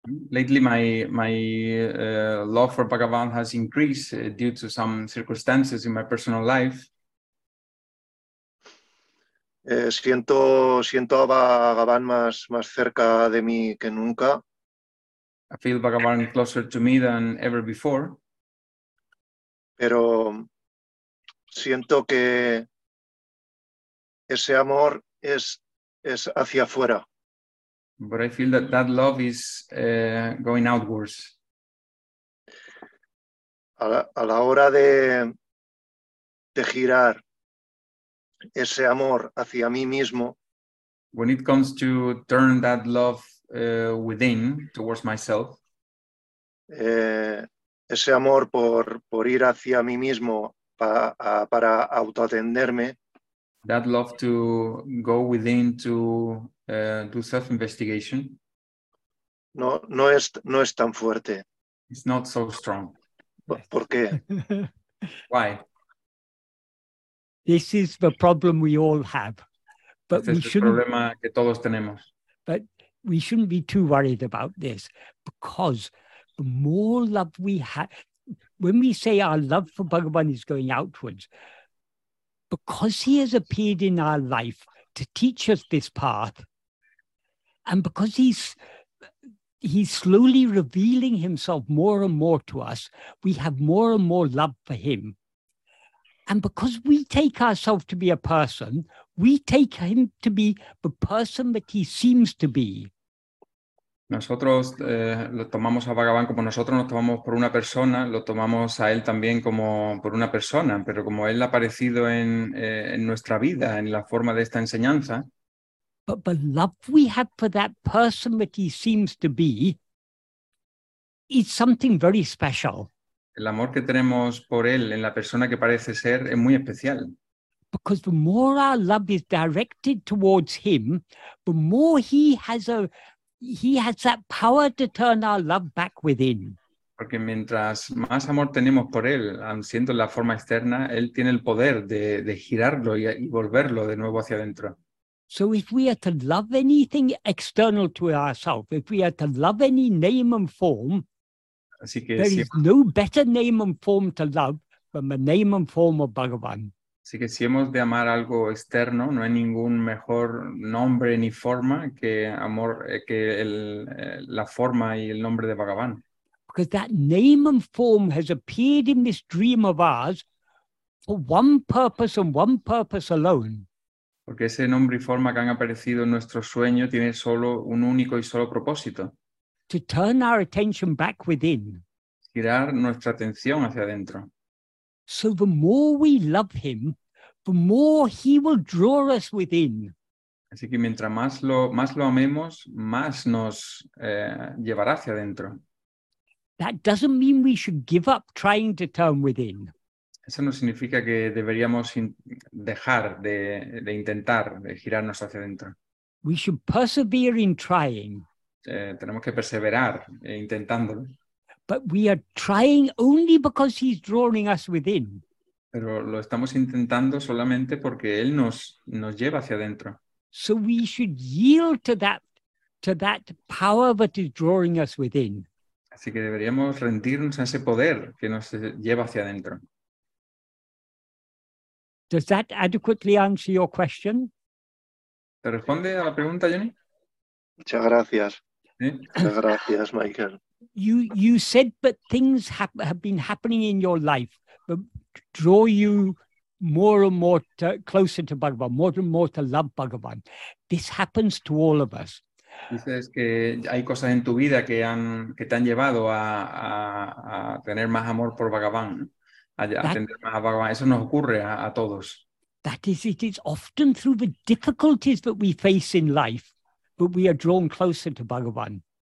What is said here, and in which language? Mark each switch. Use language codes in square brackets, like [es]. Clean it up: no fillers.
[en] Lately, my love for Bhagavan has increased due to some circumstances in my personal life. [es] Siento a Bhagavan más cerca de mí que nunca. [en] I feel Bhagavan closer to me than ever before. [es] Pero siento que ese amor es hacia afuera. [en] But I feel that love is going outwards. [es] A la hora de girar ese amor hacia mí mismo. [en] When it comes to turn that love within, towards myself. [es] Ese amor por ir hacia mí mismo para autoatenderme. [en] That love to go within to do self-investigation. [es] No es tan fuerte. [en] It's not so strong. [es] ¿Por qué? [en] Why? This is the problem we all have. But [es] este [en] we shouldn't, [es] es el problema que todos tenemos. [en] But we shouldn't be too worried about this, because the more love we have, when we say our love for Bhagavan is going outwards, because he has appeared in our life to teach us this path, and because he's slowly revealing himself more and more to us, we have more and more love for him. And because we take ourselves to be a person, we take him to be the person that he seems to be. [es] Nosotros lo tomamos a Bhagavan como nosotros nos tomamos por una persona, lo tomamos a él también como por una persona, pero como él ha aparecido en nuestra vida, en la forma de esta enseñanza. [en] But the love we have for that person that he seems to be is something very special. [es] El amor que tenemos por él en la persona que parece ser es muy especial. [en] Because the more our love is directed towards him, the more he has that power to turn our love back within. [es] Porque mientras más amor tenemos por él, siendo la forma externa, él tiene el poder de girarlo y volverlo de nuevo hacia adentro. [en] So if we are to love anything external to ourselves, if we are to love any name and form, [es] así que [en] there is no better name and form to love than the name and form of Bhagavan. [es] Así que si hemos de amar algo externo, no hay ningún mejor nombre ni forma que amor, que la forma y el nombre de Bhagavan. [en] Because that name and form has appeared in this dream of ours for one purpose and one purpose alone. [es] Porque ese nombre y forma que han aparecido en nuestro sueño tiene solo un único y solo propósito. [en] To turn our attention back within. [es] Girar nuestra atención hacia adentro. [en] So the more we love him, the more he will draw us within. [es] Así que mientras más lo amemos, más nos llevará hacia adentro. [en] That doesn't mean we should give up trying to turn within. [es] Eso no significa que deberíamos dejar de intentar de girarnos hacia adentro. [en] We should persevere in trying. [es] Tenemos que perseverar intentándolo. [en] But we are trying only because he's drawing us within. [es] Pero lo estamos intentando solamente porque él nos lleva hacia adentro. [en] So we should yield to that power that is drawing us within. [es] Así que deberíamos rendirnos a ese poder que nos lleva hacia adentro. [en] Does that adequately answer your question? [es] ¿Te responde a la pregunta, Johnny? Muchas gracias. Muchas gracias, Michael. [en] You said that things have been happening in your life that draw you more and more closer to Bhagavan, more and more to love Bhagavan. This happens to all of us. [es] Dices que hay cosas en tu vida que te han llevado a tener más amor por Bhagavan, atender más a Bhagavan. Eso nos ocurre a todos. [en] That is, it is often through the difficulties that we face in life that we are drawn closer to Bhagavan.